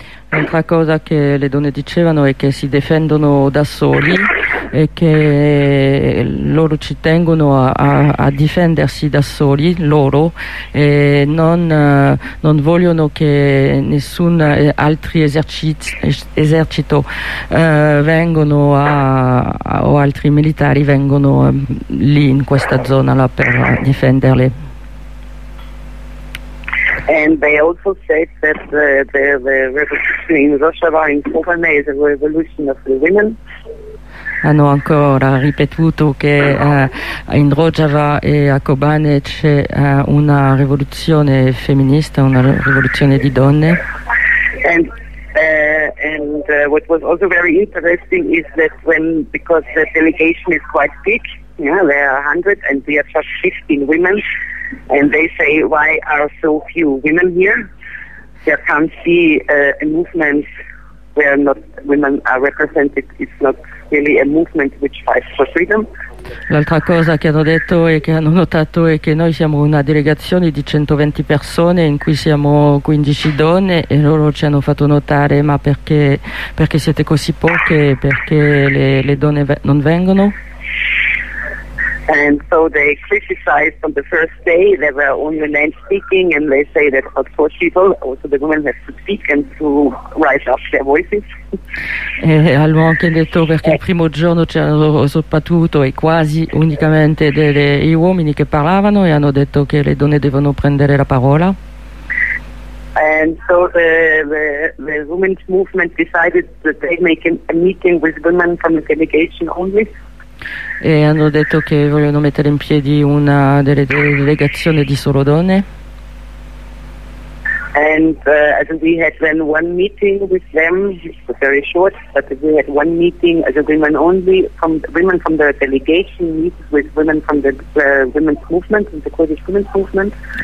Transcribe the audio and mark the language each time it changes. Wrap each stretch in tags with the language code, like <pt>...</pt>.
<it>L'altra cosa che le donne dicevano è che si difendono da soli e che loro ci tengono a difendersi da soli, loro, e non vogliono che nessun altro esercito vengano o altri militari vengano lì in questa zona là per difenderle.</it> <en>And they also said that the revolution in Russia</en> <it>va in forma</it> <en>the revolution of the women.</en> <it>Hanno ancora ripetuto che in Rojava e a Kobane c'è una rivoluzione femminista, una rivoluzione di donne.</it> <en>And what was also very interesting is that when, because the delegation is quite big, yeah, there are 100 and we are just 15 women, and they say, why are so few women here? There can't be a movement where not women are represented. It's not really a movement which fights for freedom.</en> <it>L'altra cosa che hanno detto e che hanno notato è che noi siamo una delegazione di 120 persone in cui siamo 15 donne, e loro ci hanno fatto notare, ma perché siete così poche, perché le donne non vengono?</it> <en>And so they criticized from the first day, there were only men speaking, and they say that about 40 people, also the women have to speak and to rise up their voices.</en> <it>E hanno anche detto perché il primo giorno c'erano soprattutto e quasi unicamente gli uomini che parlavano, e hanno detto che le donne devono prendere la parola.</it> <en>And so the women's movement decided that they make a meeting with women from the delegation only.</en> <it>E hanno detto che vogliono mettere in piedi una delle delegazioni di solo donne.</it> <en>And we had then one meeting with them, it was very short, but we had one meeting as a women only, from women from the delegation meet with women from the women's movement, the Kurdish women's movement.</en>